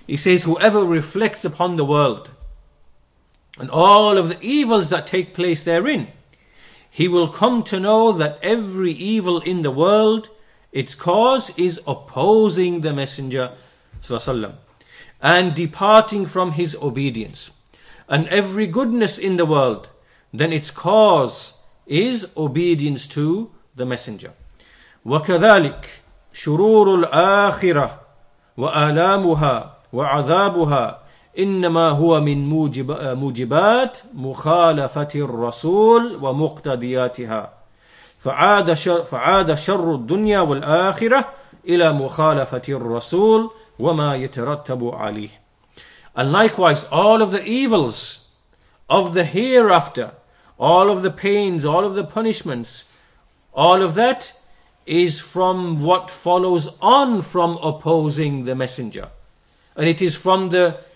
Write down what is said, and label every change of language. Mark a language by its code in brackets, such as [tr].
[en] He says, whoever reflects upon the world and all of the evils that take place therein, he will come to know that every evil in the world, its cause is opposing the Messenger sallallahu alaihi wasallam and departing from his obedience. And every goodness in the world, then its cause is obedience to the Messenger. [ar] وكذلك شرور الآخرة وآلامها وعذابها إنما هو من موجبات مخالفة الرسول ومقتدياتها فعاد شر الدنيا والآخرة إلى مخالفة الرسول وما يترتب عليه. [en] And likewise, all of the evils of the hereafter, all of the pains, all of the punishments, all of that is from what follows on from opposing the Messenger. And it is from the